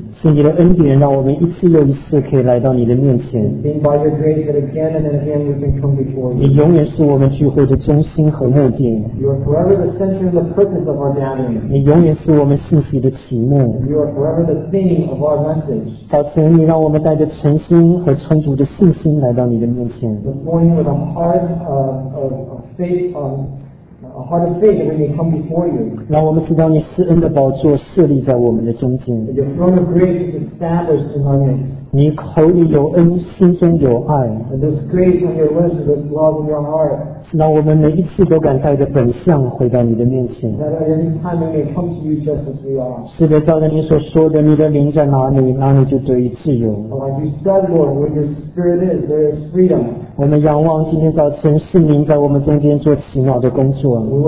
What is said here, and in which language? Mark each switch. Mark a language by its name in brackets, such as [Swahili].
[Chinese] 是你的恩典，让我们一次又一次可以来到你的面前。 [English] Being by your grace that again and again we can come before you. [Chinese] 你永远是我们聚会的中心和目的。 [English] You are forever the center and the purpose of our gathering. [Chinese] 你永远是我们信息的题目。 [English] You are forever the theme of our message. [Chinese] 早晨，你让我们带着诚心和充足的信心来到你的面前。 [English] This morning with a heart of faith on. A heart of faith that we may come before you. [Chinese] 让我们知道你施恩的宝座设立在我们的中间。 [English] Your throne of grace is established in our midst. [Chinese] 你口里有恩，心中有爱。 [English] And this grace on your lips, this love in your heart. [Chinese] 是让我们每一次都敢带着本相回到你的面前。 [English] That at any time we may come to you just as we are. [Chinese] 是的，照着你所说的，你的灵在哪里，哪里就得以自由。 [English] Well, like you said, Lord, where your spirit is, there is freedom. [Chinese] 我们仰望今天早晨圣灵在我们中间做奇妙的工作。